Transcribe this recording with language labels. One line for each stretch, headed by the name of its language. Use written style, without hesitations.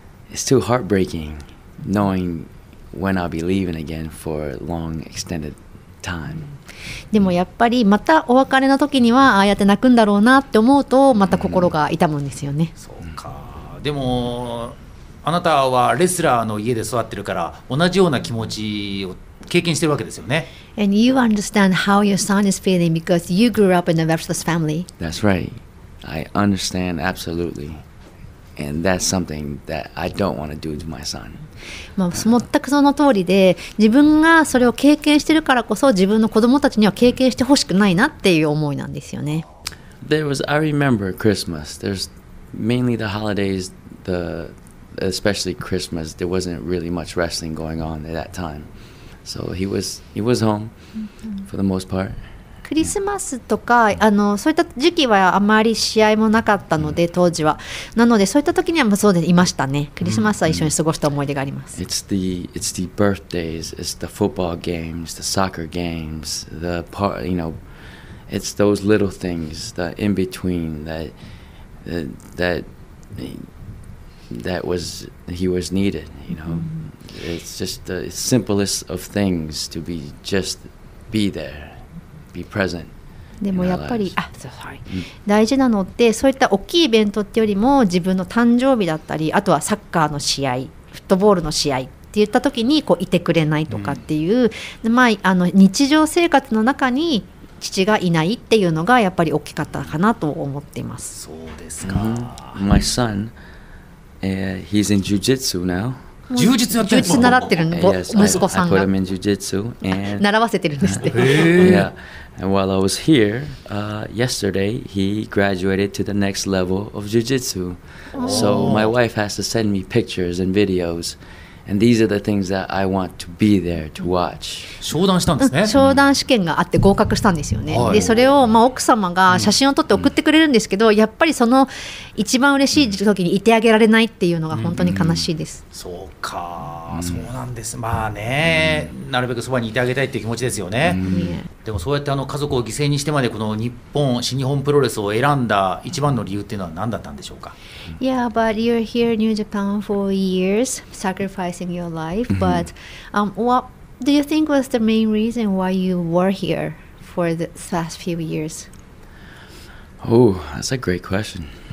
English: It's too heartbreaking knowing when I'll be leaving again for a long extended time.
Japanese: でもやっぱりまたお別れの時にはああやって泣くんだろうなって思うとまた心が痛むんですよね。そうか。でもあなたはレスラーの家で育ってるから同じような気持ちを経験してるわけですよね。
English: And you understand how your son is feeling because you grew up in a wrestler's family. That's right. I understand absolutely. And that's something that I don't want to do to my son.
Japanese: まあ、全くその通りで、自分がそれを経験してるからこそ、自分の子供たちには経験してほしくないなっていう思いなんですよね。
English: I remember Christmas. There's mainly the holidays, especially Christmas. There wasn't really much wrestling going on at that time. So he was home for the most part.
Japanese: クリスマスとかそういった時期はあまり試合もなかったので、当時は。なので、そういった時にはそうでいましたね。クリスマスは一緒に過ごした思い出があります。
English: It's the birthdays, it's the football games, the soccer games, the part, you know, it's those little things, the in between that he was needed, you know. It's just the simplest of things to be just be there. Be present.
Japanese: でもやっぱり大事なのってそういった大きいイベントってよりも自分の誕生日だったりあとはサッカーの試合フットボールの試合って言った時にこういてくれないとかっていう、まあ、日常生活の中に父がいないっていうのがやっぱり大きかったかなと思っています。そうですか。
English: My son, he's in jiu-jitsu now.
Japanese: 柔術やってる。柔術習ってるの。息子さんが。
English: I put him in jiu-jitsu and
Japanese: 習わせてるんですって。
English: Yeah. And while I was here, yesterday he graduated to the next level of jiu-jitsu. So my wife has to send me pictures and videos, And these are the things that I want to be there to watch.
Japanese: 商談したんですね。商談試験があって合格したんですよね。はい、でそれを、まあ、奥様が写真を撮って送ってくれるんですけど、うん、やっぱりその一番嬉しい時にいてあげられないっていうのが本当に悲しいです。うん、そうか、そうなんです。まあね、うん、なるべくそばにいてあげたいっていう気持ちですよね。うん、でもそうやってあの家族を犠牲にしてまでこの日本、新日本プロレスを選んだ一番の理由っていうのは何だったんでしょうか。
English: Yeah, but you're here in New Japan for years, sacrificing your life. But what do you think was the main reason why you were here for the past few years? Oh, that's a great question.